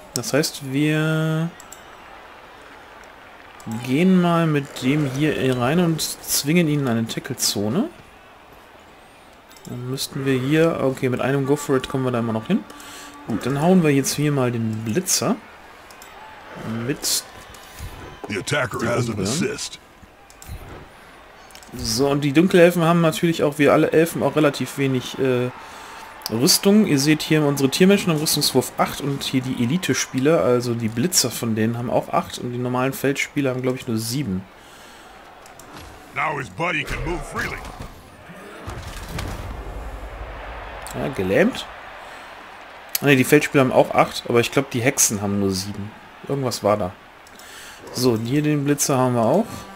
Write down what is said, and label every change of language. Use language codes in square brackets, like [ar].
[de] Das heißt, wir gehen mal mit dem hier rein und zwingen ihn in eine Tackle-Zone. Dann müssten wir hier... Okay, mit einem Go for it kommen wir da immer noch hin. Gut, dann hauen wir jetzt hier mal den Blitzer mit... [en] The attacker has an assist. [de] So, und die Dunkelelfen haben natürlich auch, wie alle Elfen, auch relativ wenig Rüstung, ihr seht hier unsere Tiermenschen haben Rüstungswurf 8 und hier die Elite-Spieler, also die Blitzer von denen haben auch 8 und die normalen Feldspieler haben glaube ich nur 7. [en] Now his body can move freely. [de] Ja, gelähmt. Ne, die Feldspieler haben auch 8, aber ich glaube die Hexen haben nur 7. Irgendwas war da. So, hier den Blitzer haben wir auch.